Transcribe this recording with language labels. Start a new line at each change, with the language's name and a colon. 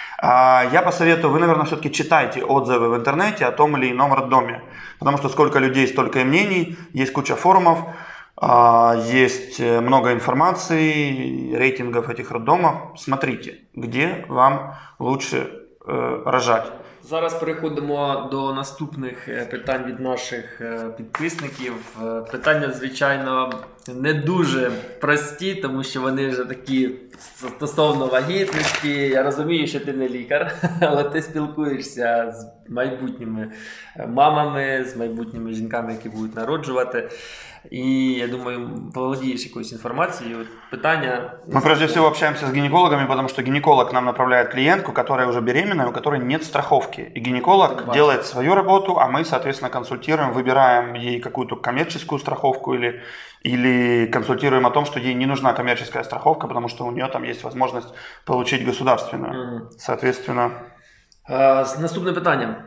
Russian: Я посоветую, вы, наверное, все-таки читайте отзывы в интернете о том или ином роддоме, потому что сколько людей, столько и мнений, есть куча форумов, Есть много информации, рейтингов этих роддомов. Смотрите, где вам лучше рожать.
Ukrainian: Зараз переходимо до наступних питань від наших підписників. Питання, звичайно, не дуже прості, тому що вони вже такі стосовно вагітності. Я розумію, що ти не лікар, але ти спілкуєшся з майбутніми мамами, з майбутніми жінками, які будуть народжувати. І, я думаю, володієш якоюсь інформацією. Питання... Ми, прежде всего, общаемся з гінекологами, тому що гінеколог нам направляє клієнтку, яка вже беременна, у якої нет страховки. І гінеколог робить свою роботу, а ми, соответственно, консультуємо, вибираємо їй якусь комерційну страховку
Russian: или консультируем о том, что ей не нужна коммерческая страховка, потому что у нее там есть возможность получить государственную, соответственно.
Ukrainian: Наступное питание.